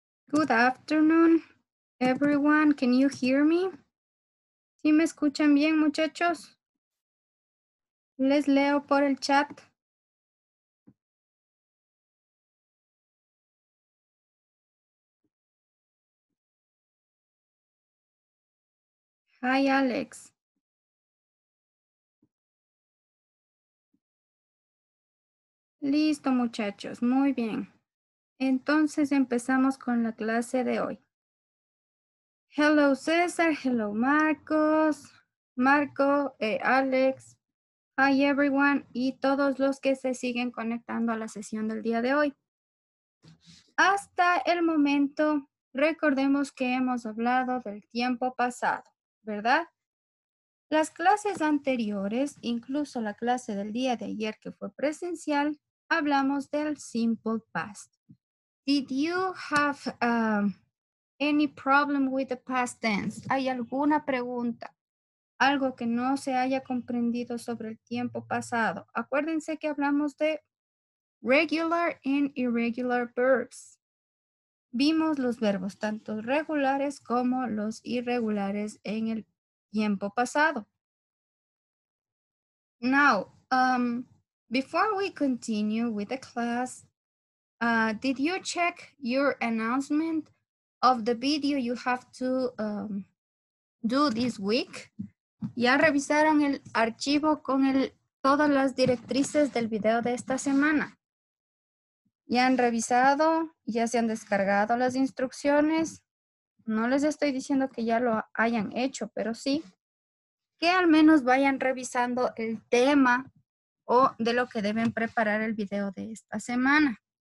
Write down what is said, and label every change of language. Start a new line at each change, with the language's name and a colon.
English: Good afternoon, everyone. Can you hear me?
Spanish: ¿Sí me escuchan bien, muchachos? Les leo por el chat.
English: Hi, Alex.
Spanish: Listo, muchachos. Muy bien. Entonces empezamos con la clase de hoy. Hello César, hello Marcos, Marco, Alex,
English: hi everyone
Spanish: y todos los que se siguen conectando a la sesión del día de hoy. Hasta el momento, recordemos que hemos hablado del tiempo pasado, ¿verdad? Las clases anteriores, incluso la clase del día de ayer que fue presencial, hablamos del simple past.
English: Did you have any problem with the past tense?
Spanish: ¿Hay alguna pregunta? ¿Algo que no se haya comprendido sobre el tiempo pasado? Acuérdense que hablamos de
English: regular and irregular verbs.
Spanish: Vimos los verbos, tanto regulares como los irregulares en el tiempo pasado.
English: Now, before we continue with the class, did you check your announcement of the video you have to do this week?
Spanish: ¿Ya revisaron el archivo con todas las directrices del video de esta semana? ¿Ya han revisado? ¿Ya se han descargado las instrucciones? No les estoy diciendo que ya lo hayan hecho, pero sí que al menos vayan revisando el tema o de lo que deben preparar el video de esta semana.